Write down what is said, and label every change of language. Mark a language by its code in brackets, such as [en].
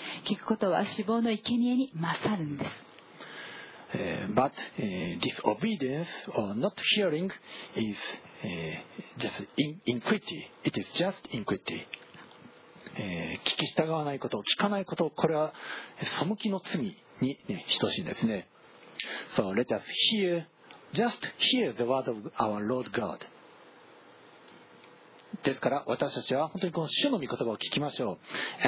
[ja] 聞くことは脂肪の生贄に勝るんです。 [en] But disobedience or not hearing is just iniquity. It is just iniquity. [ja] 聞き従わないこと、聞かないこと、これは背きの罪に、ね、等しいんですね。 [en] So let us hear, just hear the word of our Lord God. [ja] ですから私たちは本当にこの主の御言葉を聞きましょう。